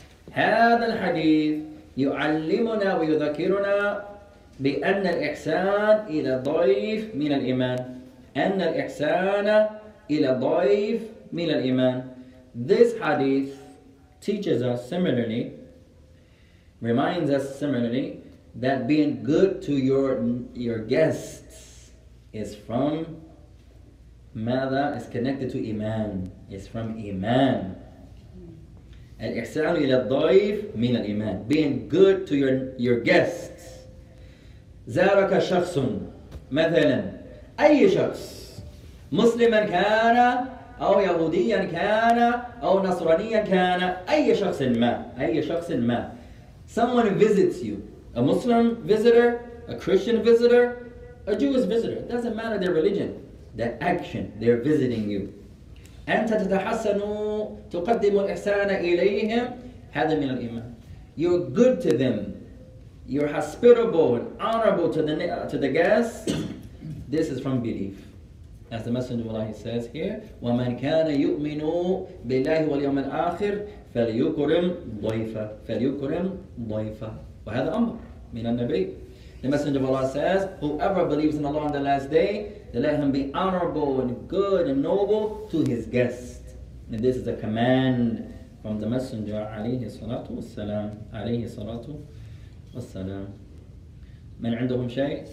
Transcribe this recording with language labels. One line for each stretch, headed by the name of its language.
Arabic: هذا الحديث يعلمنا ويذكرنا بأن الإحسان إلى ضيف من الإيمان. أن الإحسان إلى ضيف من الإيمان.
English: This hadith teaches us similarly, reminds us similarly, that being good to your guests is from
Arabic: ماذا؟
English: Is connected to إيمان. It's from إيمان.
Arabic: الإحسان إلى الضيف من الإيمان.
English: Being good to your guests.
Arabic: زارك شخص مثلا أي شخص مسلما كان أو يهوديا كان أو نصرانيا كان أي شخص ما أي شخص ما.
English: Someone visits you. A Muslim visitor, a Christian visitor, a Jewish visitor. It doesn't matter their religion. That action, they're visiting you.
Arabic: أنت تتحسن تقدم الإحسان إليهم هذا من الإيمان.
English: You're good to them. You're hospitable and honorable to the guests. This is from belief. As the Messenger of Allah says here,
Arabic: وَمَنْ كَانَ يُؤْمِنُ بِاللَّهِ وَالْيَوْمِ الْآخِرِ فَلْيُكُرِمْ ضَيْفًا فَلْيُكُرِمْ ضَيْفًا. وهذا أمر من النبي.
English: The Messenger of Allah says, whoever believes in Allah on the last day, let him be honorable and good and noble to his guest. And this is a command from the Messenger, alayhi salatu wassalam.
Arabic: Alayhi salatu wassalam. Man indahum shay?